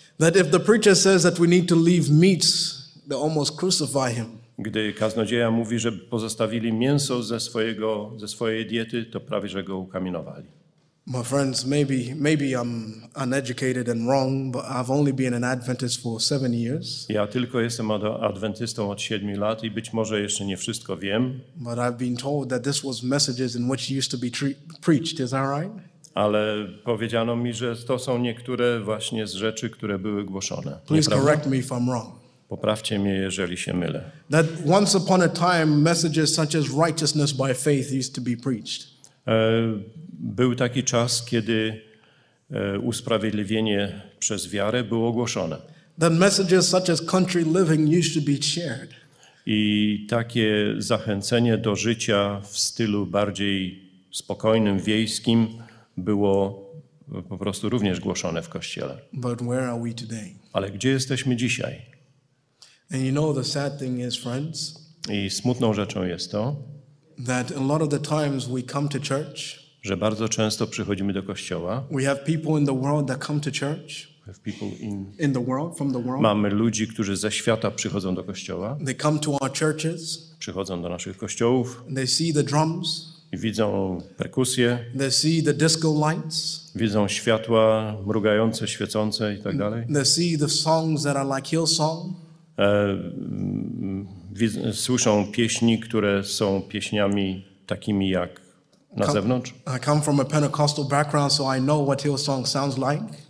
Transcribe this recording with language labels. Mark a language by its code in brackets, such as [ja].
[en] That if the preacher says that we need to leave meat, they almost crucify him. [pl] Gdy kaznodzieja mówi, że pozostawili mięso ze swojej diety, to prawie że go ukamienowali. [en] My friends, maybe I'm uneducated and wrong, but I've only been an Adventist for 7 years. [pl] Ja tylko jestem adwentystą od 7 lat i być może jeszcze nie wszystko wiem. [en] But I've been told that this was messages in which used to be preached, is that right? [pl] Ale powiedziano mi, że to są niektóre właśnie z rzeczy, które były głoszone. [en] Please correct me if I'm wrong. [pl] Poprawcie mnie, jeżeli się mylę. [en] That once upon a time messages such as righteousness by faith used to be preached. [pl] Był taki czas, kiedy usprawiedliwienie przez wiarę było ogłoszone. [en] Then messages such as country living used to be shared. [pl] I takie zachęcenie do życia w stylu bardziej spokojnym, wiejskim było po prostu również głoszone w kościele. [en] But where are we today? [pl] Ale gdzie jesteśmy dzisiaj? [en] And you know the sad thing is, friends, [pl] i smutną rzeczą jest to, [en] that a lot of the times we come to church, [pl] że bardzo często przychodzimy do kościoła. [en] We have people in the world that come to church. We have people in the world, from the world. [pl] Mamy ludzi, którzy ze świata przychodzą do kościoła. [en] They come to our churches. [pl] Przychodzą do naszych kościołów. [en] They see the drums. [pl] I widzą perkusje. [en] They see the disco lights. [pl] Widzą światła mrugające, świecące i tak dalej. [en] They see the songs that are like Hillsong. [pl] Słyszą pieśni, które są pieśniami takimi jak na zewnątrz. [en] I come from a Pentecostal background, so I know what Hillsong sounds like.